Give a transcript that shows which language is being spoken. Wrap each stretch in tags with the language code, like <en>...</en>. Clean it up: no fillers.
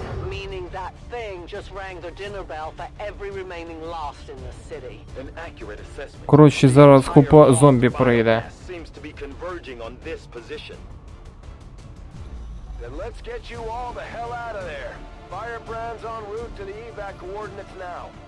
<en>Meaning that thing just rang the dinner bell for every remaining lost in the city. An accurate assessment.</en> <uk>Короче, зараз купа зомбі прийде.</uk> <en>Seems to be converging on this position. Then let's get you all the hell out of there. Firebrand's en route to the evac coordinates now.</en>